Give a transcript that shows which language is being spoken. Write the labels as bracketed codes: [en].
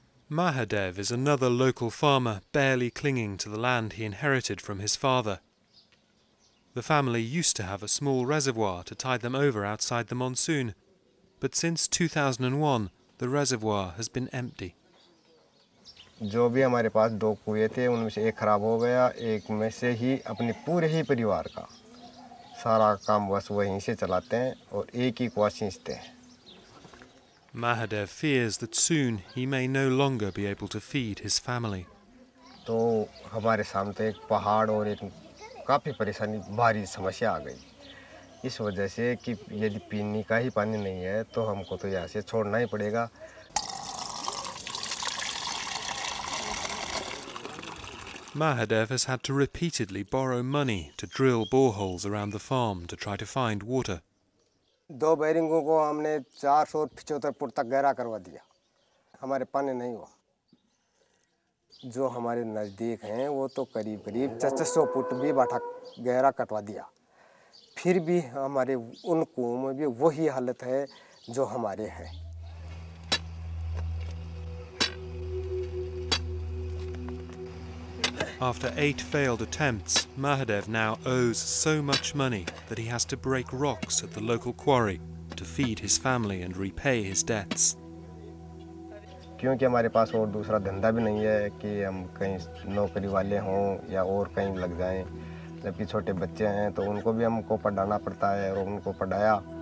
[en] Mahadev is another local farmer barely clinging to the land he inherited from his father. The family used to have a small reservoir to tide them over outside the monsoon, but since 2001, the reservoir has been empty. [hi] जो भी हमारे पास दो कुएं थे उनमें से एक खराब हो गया एक में से ही अपने पूरे ही परिवार का सारा काम बस वहीं से चलाते हैं और एक ही कुआं सींचते हैं [en] Mahadev fears that soon he may no longer be able to feed his family. [hi] तो हमारे सामने एक पहाड़ और एक काफी परेशानी भारी समस्या आ गई इस वजह से कि यदि पीने का ही पानी नहीं है तो हमको तो यहाँ से छोड़ना ही पड़ेगा [en] Mahadev has had to repeatedly borrow money to drill boreholes around the farm to try to find water. [hi] दो बैरिंगों को हमने 475 फुट तक गहरा करवा दिया हमारे पानी नहीं हुआ जो हमारे नज़दीक हैं वो तो करीब करीब 400 फुट भी बाटा गहरा कटवा दिया फिर भी हमारे उन कुओं में भी वही हालत है जो हमारे हैं [en] After 8 failed attempts, Mahadev now owes so much money that he has to break rocks at the local quarry to feed his family and repay his debts. [hi] क्योंकि हमारे पास और दूसरा धंधा भी नहीं है कि हम कहीं नौकरी वाले हों या और कहीं लग जाएं जबकि छोटे बच्चे हैं तो उनको भी हमको पढ़ाना पड़ता है और उनको पढ़ाया